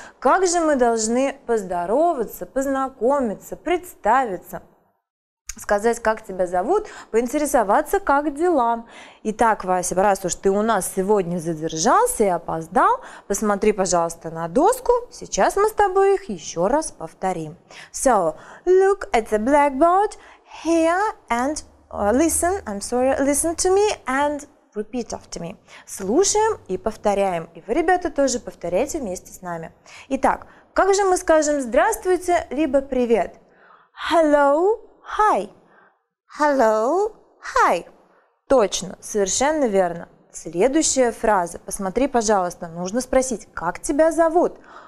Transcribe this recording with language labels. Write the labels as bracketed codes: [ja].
[ru] Как же мы должны поздороваться, познакомиться, представиться, сказать, как тебя зовут, поинтересоваться, как дела. Итак, Вася, раз уж ты у нас сегодня задержался и опоздал, посмотри, пожалуйста, на доску. Сейчас мы с тобой их еще раз повторим. [en] So, look at the blackboard here and listen to me and repeat after me. [ru] Слушаем и повторяем. И вы, ребята, тоже повторяйте вместе с нами. Итак, как же мы скажем здравствуйте, либо привет? [en] Hello, hi. Hello, hi. [ru] Точно, совершенно верно. Следующая фраза. Посмотри, пожалуйста, нужно спросить, как тебя зовут?